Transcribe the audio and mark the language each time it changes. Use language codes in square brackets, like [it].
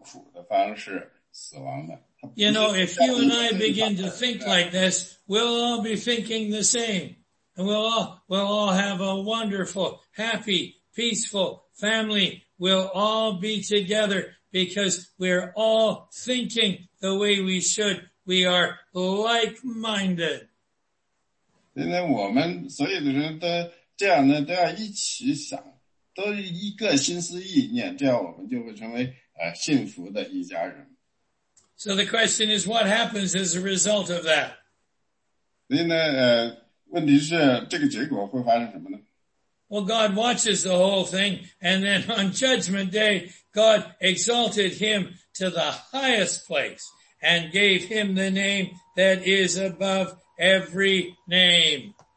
[zh] 所以呢，主耶稣呢，他是以一种最痛苦的方式死亡的。 [en] You know, if you and I begin to think like this, we'll all be thinking the same. And we'll all have a wonderful, happy, peaceful family. We'll all be together because we're all thinking the way we should. We are like-minded. [zh] 现在我们所有的人都这样呢，都要一起想，都一个心思意念，这样我们就会成为幸福的一家人。 [en] So the question is, what happens as a result of that? [zh] 现在问题是这个结果会发生什么呢？ [en] Well, God watches the whole thing, and then on Judgment Day, God exalted him to the highest place and gave him the name that is above every name.